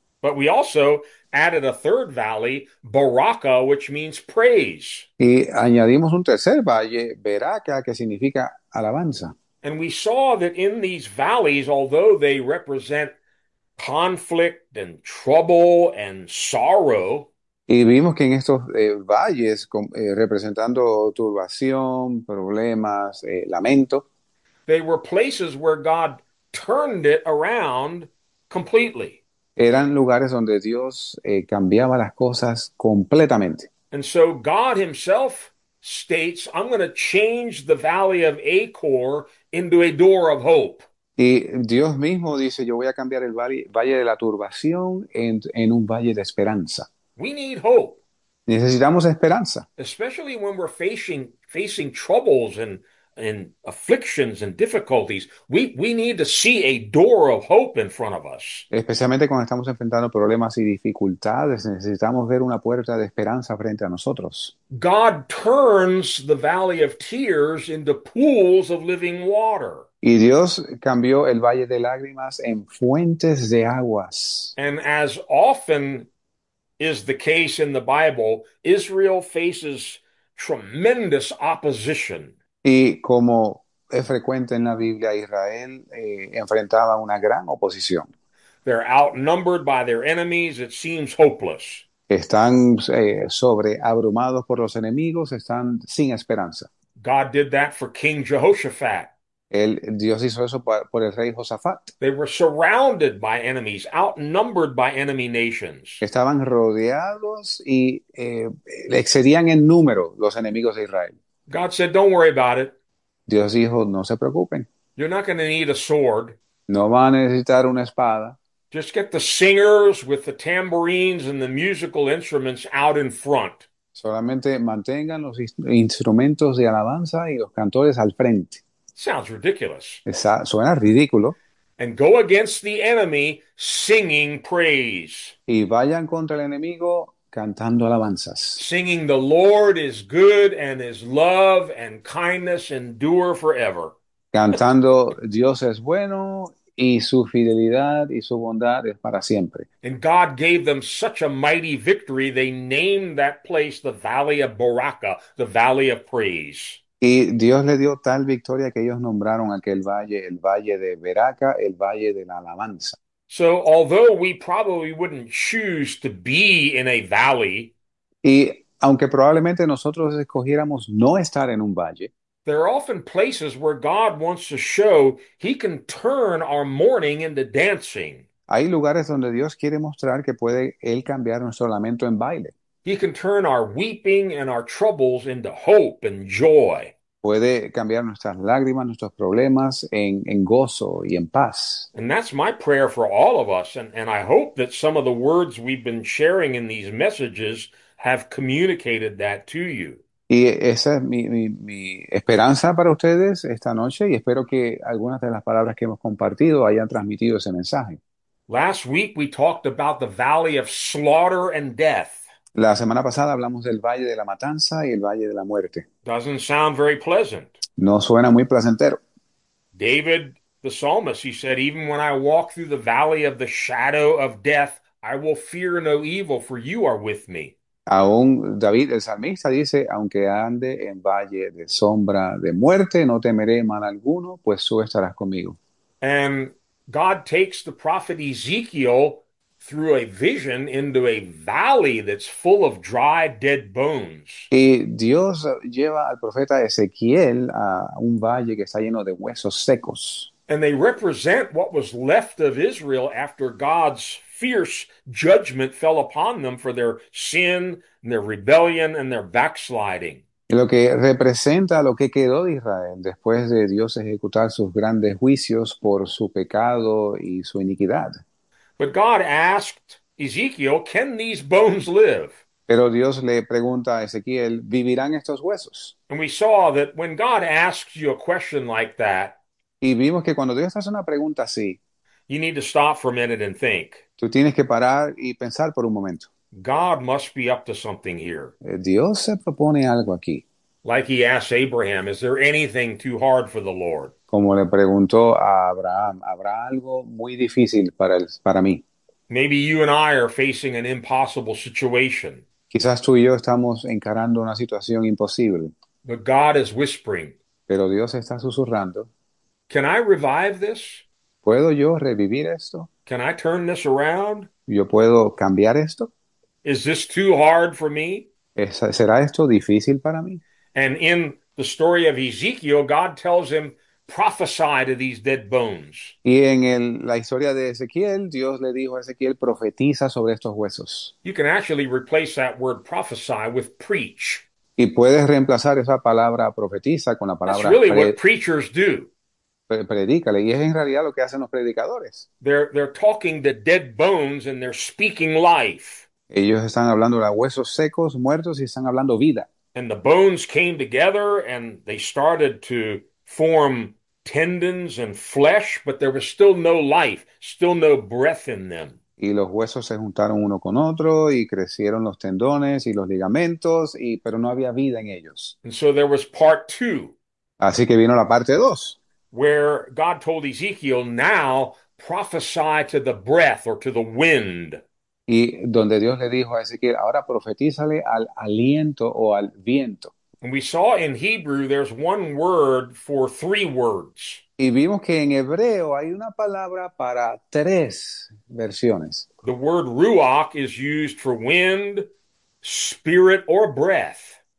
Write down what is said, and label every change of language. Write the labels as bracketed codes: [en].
[en] But we also added a third valley, Baraka, which means praise. [es] Y añadimos un tercer valle, Beraca, que significa alabanza. [en] And we saw that in these valleys, although they represent conflict and trouble and sorrow, [es] Y vimos que en estos valles, representando turbación, problemas, lamento, [en] they were places where God turned it around completely. [es] eran lugares donde Dios cambiaba las cosas completamente. [en] And so God himself states, I'm going to change the valley of Achor into a door of hope. [es] Y Dios mismo dice, yo voy a cambiar el valle de la turbación en un valle de esperanza. [en] We need hope, [es] Necesitamos esperanza. [en] especially when we're facing troubles and afflictions and difficulties, we need to see a door of hope in front of us. [es] Especialmente cuando estamos enfrentando problemas y dificultades, necesitamos ver una puerta de esperanza frente a nosotros. [en] God turns the valley of tears into pools of living water. [es] Y Dios cambió el valle de lágrimas en fuentes de aguas. [en] And as often is the case in the Bible, Israel faces tremendous opposition. [es] Y como es frecuente en la Biblia, Israel enfrentaba una gran oposición. [en] They're outnumbered by their enemies. It seems hopeless. [es] Están sobreabrumados por los enemigos, están sin esperanza. [en] God did that for King Jehoshaphat. [es] Dios hizo eso por el rey Josafat. [en] They were surrounded by enemies, outnumbered by enemy nations. [es] Estaban rodeados y excedían en número los enemigos de Israel. [en] God said, "Don't worry about it. [es] Dios dijo, no se preocupen. [en] You're not going to need a sword. [es] No van a necesitar una espada. [en] Just get the singers with the tambourines and the musical instruments out in front." [es] Solamente mantengan los instrumentos de alabanza y los cantores al frente. [en] Sounds ridiculous. [es] Suena ridículo. [en] And go against the enemy singing praise. [es] Y vayan contra el enemigo cantando alabanzas. [en] Singing, "The Lord is good and his love and kindness endure forever." [es] Cantando, Dios es bueno y su fidelidad y su bondad es para siempre. [en] And God gave them such a mighty victory, they named that place the Valley of Baraka, the Valley of Praise. [es] Y Dios le dio tal victoria que ellos nombraron aquel valle, el valle de Beraca, el valle de la alabanza. [en] So, although we probably wouldn't choose to be in a valley, [es] Y aunque probablemente nosotros escogiéramos no estar en un valle, [en] there are often places where God wants to show he can turn our mourning into dancing. [es] hay lugares donde Dios quiere mostrar que puede Él cambiar nuestro lamento en baile. [en] He can turn our weeping and our troubles into hope and joy. [es] Puede cambiar nuestras lágrimas, nuestros problemas en gozo y en paz. [en] And that's my prayer for all of us, and I hope that some of the words we've been sharing in these messages have communicated that to you. [es] Y esa es mi esperanza para ustedes esta noche y espero que algunas de las palabras que hemos compartido hayan transmitido ese mensaje. [en] Last week we talked about the valley of slaughter and death. [es] La semana pasada hablamos del Valle de la Matanza y el Valle de la Muerte. [en] Doesn't sound very pleasant. [es] No suena muy placentero. [en] David, the psalmist, he said, "Even when I walk through the valley of the shadow of death, I will fear no evil, for you are with me." [es] Aún David, el salmista, dice, aunque ande en valle de sombra de muerte, no temeré mal alguno, pues tú estarás conmigo. [en] And God takes the prophet Ezekiel through a vision into a valley that's full of dry, dead bones. [es] Y Dios lleva al profeta Ezequiel a un valle que está lleno de huesos secos. [en] And they represent what was left of Israel after God's fierce judgment fell upon them for their sin and their rebellion and their backsliding. [es] Lo que representa lo que quedó de Israel después de Dios ejecutar sus grandes juicios por su pecado y su iniquidad. [en] But God asked Ezekiel, "Can these bones live?" [es] Pero Dios le pregunta a Ezequiel, ¿vivirán estos huesos? [en] And we saw that when God asks you a question like that, [es] Y vimos que cuando Dios hace una pregunta así, [en] you need to stop for a minute and think. [es] tú tienes que parar y pensar por un momento. [en] God must be up to something here. [es] Dios se propone algo aquí. [en] Like he asked Abraham, is there anything too hard for the Lord? [es] Como le preguntó a Abraham, ¿habrá algo muy difícil para mí? [en] Maybe you and I are facing an impossible situation. [es] Quizás tú y yo estamos encarando una situación imposible, [en] But God is whispering. [es] pero Dios está susurrando. [en] Can I revive this? [es] ¿Puedo yo revivir esto? [en] Can I turn this around? [es] ¿Yo puedo cambiar esto? [en] Is this too hard for me? [es] ¿Será esto difícil para mí? [en] And in the story of Ezekiel, God tells him, prophesy to these dead bones. [es] Y en la historia de Ezequiel, Dios le dijo a Ezequiel, profetiza sobre estos huesos. [en] You can actually replace that word prophesy with preach. [es] Y puedes reemplazar esa palabra profetiza con la [en] That's [es] palabra [en] really what preachers do. [es] predícale. Y es en realidad lo que hacen los predicadores. [en] They're talking to dead bones and they're speaking life. [es] Ellos están hablando de huesos secos, muertos, y están hablando vida. [en] And the bones came together and they started to form tendons and flesh, but there was still no life, still no breath in them. [es] Y los huesos se juntaron uno con otro y crecieron los tendones y los ligamentos, pero no había vida en ellos. [en] And so there was part two, [es] Así que vino la parte 2. [en] where God told Ezekiel, now prophesy to the breath or to the wind. [es] Y donde Dios le dijo a Ezequiel, ahora profetízale al aliento o al viento. [en] And we saw in Hebrew there's one word for three words. [es] Y vimos que en hebreo hay una palabra para tres versiones. [en] The word ruach is used for wind, spirit, or breath.